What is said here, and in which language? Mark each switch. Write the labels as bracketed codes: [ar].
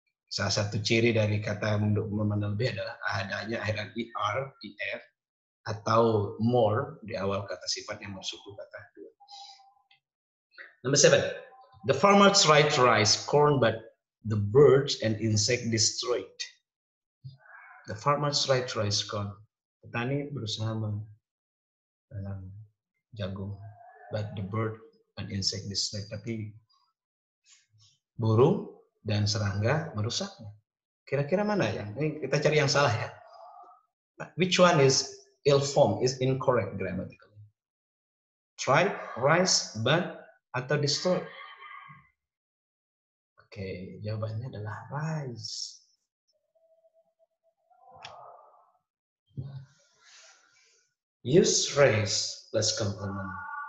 [id] Salah satu ciri dari kata yang bermakna lebih adalah adanya akhiran er, if, atau more di awal kata sifat yang bersuku kata dua. [en] Number seven, the farmer tried to raise corn but the birds and insect destroyed. The farmer tried to raise corn. [id] Petani berusaha menanam jagung, [en] but the bird and insect destroyed. [id] Tapi burung dan serangga merusaknya. Kira-kira mana yang ini kita cari yang salah ya? [en] Which one is ill-formed, is incorrect grammatically? Try, rise, burn, atau destroy? [id] Oke, okay, jawabannya adalah rise. [en] Use rise plus complement.